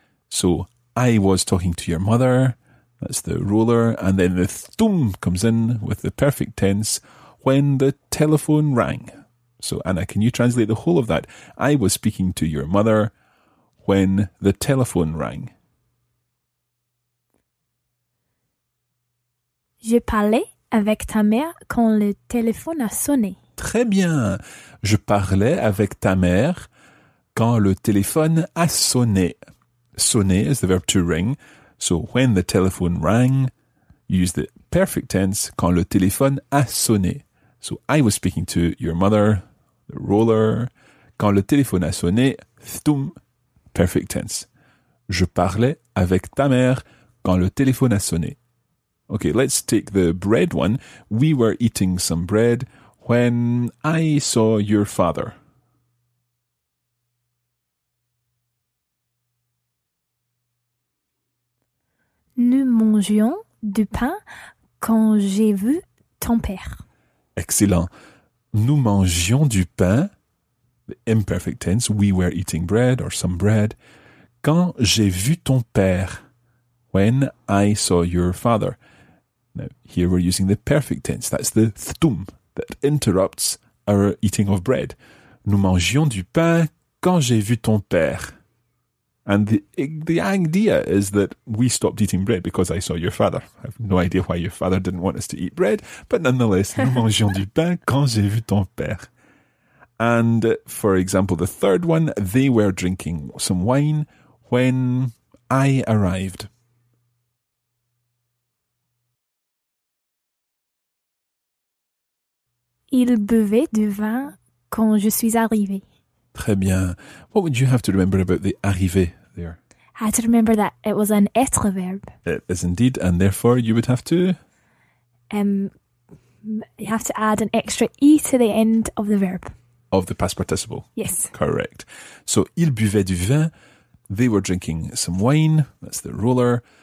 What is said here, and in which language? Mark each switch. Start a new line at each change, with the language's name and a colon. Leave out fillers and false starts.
English: So, I was talking to your mother. That's the roller, and then the thum comes in with the perfect tense when the telephone rang. So, Anna, can you translate the whole of that? I was speaking to your mother when the telephone rang.
French: Je parlais avec ta mère quand le téléphone a sonné. Très bien. Je parlais avec ta mère quand le téléphone a sonné.
English: Sonner is the verb to ring. So, when the telephone rang, use the perfect tense,
French: quand le téléphone a sonné.
English: So, I was speaking to your mother, the roller.
French: Quand le téléphone a sonné, thum,
English: perfect tense.
French: Je parlais avec ta mère quand le téléphone a sonné.
English: Okay, let's take the bread one. We were eating some bread when I saw your father.
French: Nous mangions du pain quand j'ai vu ton père.
English: Excellent.
French: Nous mangions du pain,
English: the imperfect tense, we were eating bread or some bread,
French: quand j'ai vu ton père,
English: when I saw your father. Now, here we're using the perfect tense, that's the thtum, that interrupts our eating of bread.
French: Nous mangions du pain quand j'ai vu ton père.
English: And the idea is that we stopped eating bread because I saw your father. I have no idea why your father didn't want us to eat bread, but nonetheless,
French: nous mangeons du pain quand j'ai vu ton père.
English: And, for example, the third one, they were drinking some wine when I arrived.
French: Il buvait du vin quand je suis arrivée. Très bien.
English: What would you have to remember about the arriver there? I had to remember that it was an être verb. It is indeed, and therefore you would have to... You have to add an extra e to the end of the verb. Of the past participle. Yes. Correct. So,
French: il buvait du vin.
English: They were drinking some wine. That's the roller.